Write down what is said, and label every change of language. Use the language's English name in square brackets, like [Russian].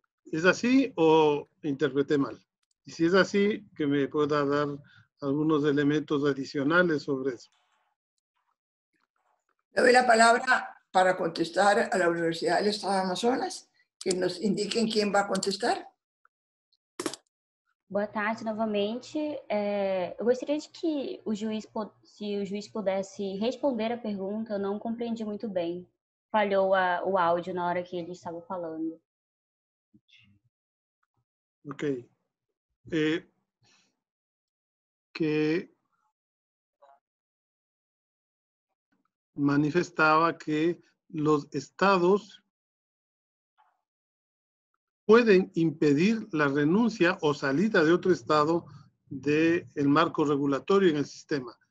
[Spanish] ¿Es así o interpreté mal? Y si es así, que me pueda dar algunos elementos adicionales sobre eso. Le doy la palabra para contestar a la Universidad del Estado de Amazonas, que nos indiquen quién va a contestar. [Portuguese] Boa tarde novamente. É, eu gostaria de que o juiz, se o juiz pudesse responder a pergunta, eu não compreendi muito bem. Falhou o áudio na hora que ele estava falando. Ok. É, que manifestava que os estados [Spanish] pueden impedir la renuncia o salida de otro estado del marco regulatorio en el sistema.